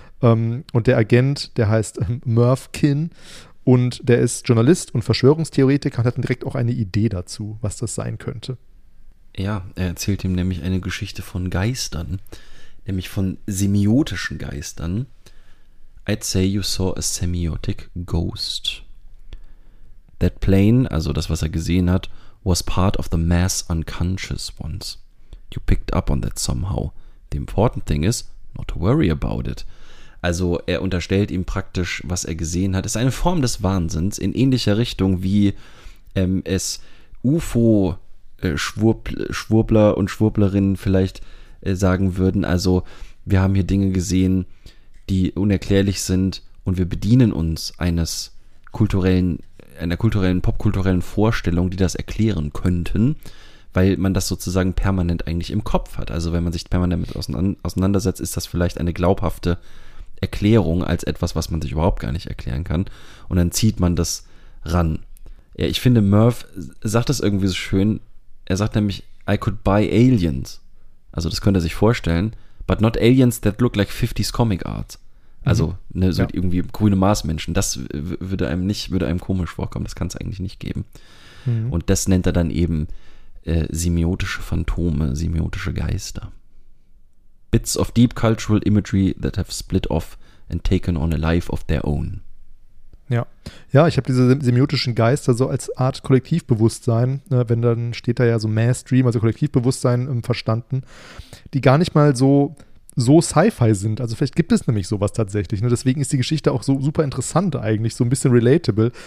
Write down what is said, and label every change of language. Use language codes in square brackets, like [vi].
[de] Und der Agent, der heißt Merv Kinn und der ist Journalist und Verschwörungstheoretiker und hat dann direkt auch eine Idee dazu, was das sein könnte. Ja, er erzählt ihm nämlich eine Geschichte von Geistern, nämlich von semiotischen Geistern. [en] I'd say you saw a semiotic ghost. That plane, [de] also das, was er gesehen hat, [en] was part of the mass unconscious ones. You picked up on that somehow. The important thing is not to worry about it. [de] Also er unterstellt ihm praktisch, was er gesehen hat, ist eine Form des Wahnsinns in ähnlicher Richtung, wie es UFO-Schwurbler und Schwurblerinnen vielleicht sagen würden. Also wir haben hier Dinge gesehen, die unerklärlich sind und wir bedienen uns einer popkulturellen Vorstellung, die das erklären könnten, weil man das sozusagen permanent eigentlich im Kopf hat. Also wenn man sich permanent damit auseinandersetzt, ist das vielleicht eine glaubhafte Erklärung als etwas, was man sich überhaupt gar nicht erklären kann. Und dann zieht man das ran. Ja, ich finde, Merv sagt das irgendwie so schön. Er sagt nämlich, [en] I could buy aliens. [de] Also das könnte er sich vorstellen. [en] But not aliens that look like 50s comic art. [de] Also irgendwie grüne Marsmenschen, das würde einem komisch vorkommen, das kann es eigentlich nicht geben. Mhm. Und das nennt er dann eben semiotische Phantome, semiotische Geister. [en] Bits of deep cultural imagery that have split off and taken on a life of their own. [de] Ja, ich habe diese semiotischen Geister so als Art Kollektivbewusstsein, wenn dann steht da ja so Mass Dream, also Kollektivbewusstsein verstanden, die gar nicht mal so Sci-Fi sind. Also vielleicht gibt es nämlich sowas tatsächlich. Ne? Deswegen ist die Geschichte auch so super interessant eigentlich, so ein bisschen relatable.